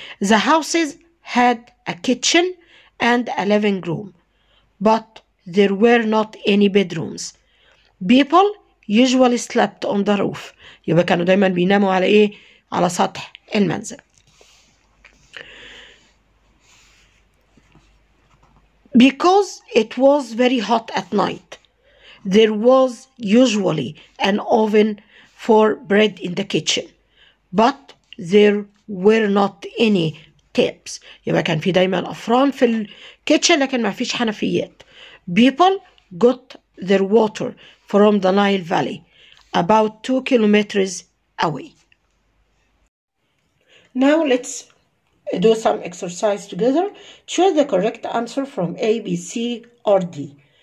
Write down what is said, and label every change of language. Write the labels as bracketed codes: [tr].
[en] The houses had a kitchen and a living room, but there were not any bedrooms. People usually slept on the roof. [ar] يبقى كانوا دايما بيناموا على ايه؟ على سطح المنزل. [en] Because it was very hot at night, there was usually an oven for bread in the kitchen, but there were not any taps. [ar] يبقى كان في دايما افران في الكيتشن لكن ما فيش حنفيات. [en] People got their water from the Nile Valley about 2 kilometers away. Now let's do some exercise together. Choose the correct answer from A, B, C, or D.